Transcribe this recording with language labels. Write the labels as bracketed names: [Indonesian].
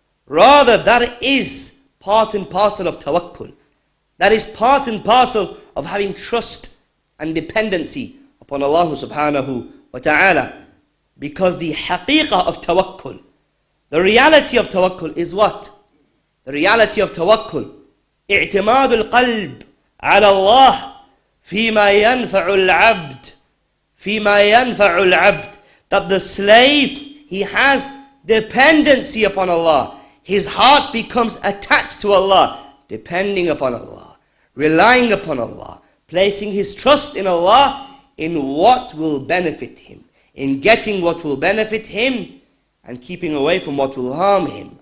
[English] Rather, that is part and parcel of tawakkul. That is part and parcel of having trust and dependency upon Allah subhanahu wa ta'ala. Because the haqiqah of tawakkul, the reality of tawakkul is what? The reality of tawakkul. [Arabic] اعتماد القلب على الله فيما ينفع العبد. فيما ينفع العبد. [English] That the slave, he has dependency upon Allah. His heart becomes attached to Allah, depending upon Allah, relying upon Allah, placing his trust in Allah, in what will benefit him, in getting what will benefit him, and keeping away from what will harm him.